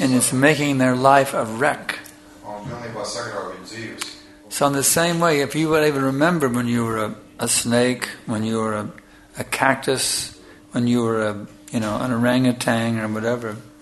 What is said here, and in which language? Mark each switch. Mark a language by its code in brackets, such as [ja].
[en] And it's making their life a wreck. [lv] Un pilnībā sagrauj viņu dzīves. [en] So in the same way, if you would even remember when you were a snake, when you were a cactus, when you were a, you know, an orangutan or whatever.